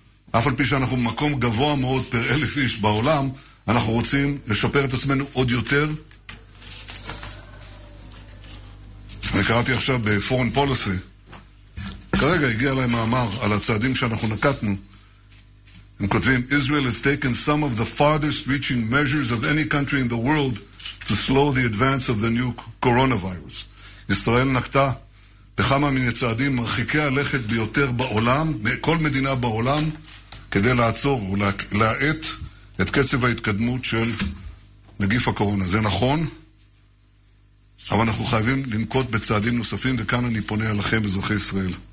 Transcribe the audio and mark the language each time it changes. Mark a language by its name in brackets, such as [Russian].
[Hebrew] אף על פי שאנחנו במקום גבוה מאוד פר 1,000 איש בעולם, אנחנו רוצים לשפר את עצמנו עוד יותר. אני קראתי עכשיו בפורן פוליסי, כרגע הגיע אליי מאמר על הצעדים שאנחנו נקטנו. הם כותבים, [English] Israel has taken some of the farthest reaching measures of any country in the world to slow the advance of the new coronavirus. [Hebrew] ישראל נקטה בכמה מן הצעדים מרחיקי הלכת ביותר בעולם, מכל מדינה בעולם, כדי לעצור ולהאט את קצב ההתקדמות של נגיף הקורונה. זה נכון, אבל אנחנו חייבים לנקוט בצעדים נוספים, וכאן אני פונה אליכם, אזרחי ישראל.